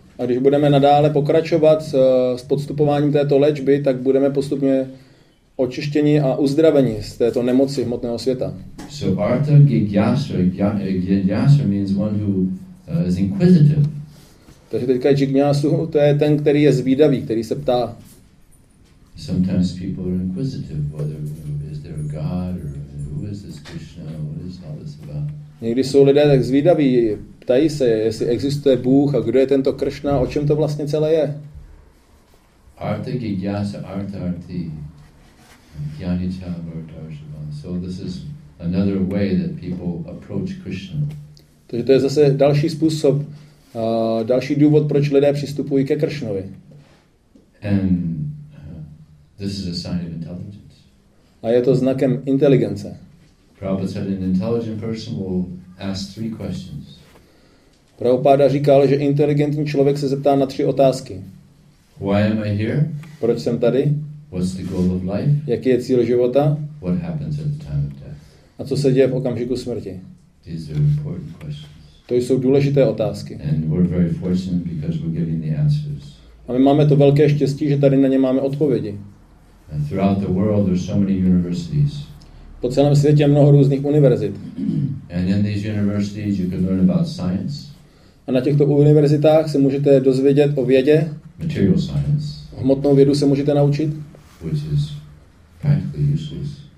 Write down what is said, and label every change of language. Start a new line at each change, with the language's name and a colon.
Czech: A když budeme nadále pokračovat s podstupováním této léčby, tak budeme postupně očištěni a uzdraveni z této nemoci hmotného světa.
English: So artha jigyasa means one who is inquisitive.
Czech: Takže teďka jigyasu, to je ten, který je zvídavý, který se ptá.
English: Sometimes people are inquisitive, whether is there a god or who is this Krishna, what is all this about?
Czech: Někdy jsou lidé tak zvídaví, ptají se, jestli existuje Bůh a kdo je tento Kršna, o čem to vlastně celé je.
Sanskrit: Artha jigyasa, artha arti, jnani cha vartarshava.
English: So this is another way that people approach Krishna.
Czech: Takže to je zase další způsob, další důvod, proč lidé přistupují ke Kršnovi.
English: And this is a sign of intelligence.
Czech: A je to znakem inteligence.
English: Prabhupada said an intelligent person will ask three questions.
Czech: Prabhupada říkal, že inteligentní člověk se zeptá na tři otázky.
English: Why am I here?
Czech: Proč jsem tady?
English: What's the goal of life?
Czech: Jaký je cíl života?
English: What happens at the time of death?
Czech: A co se děje v okamžiku smrti?
English: These are important questions.
Czech: To jsou důležité otázky.
English: And we're very fortunate because we're getting the answers.
Czech: A my máme to velké štěstí, že tady na ně máme odpovědi.
English: And throughout the world there's so many universities.
Czech: Po celém světě je mnoho různých univerzit.
English: And in these universities you can learn about science.
Czech: A na těchto univerzitách se můžete dozvědět o vědě.
English: Material science.
Czech: Hmotnou vědu se můžete naučit.
English: Which is practically useless.